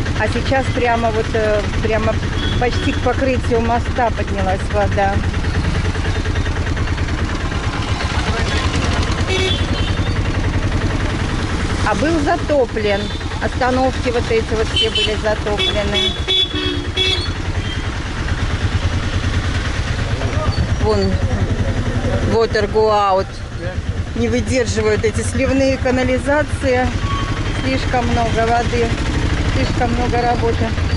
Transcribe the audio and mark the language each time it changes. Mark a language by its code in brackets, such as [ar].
[ru] А сейчас прямо вот, прямо почти к покрытию моста поднялась вода. А был затоплен. Остановки вот эти вот все были затоплены. Вон, [en] water go out. [ru] Не выдерживают эти сливные канализации. Слишком много воды. Слишком много работы.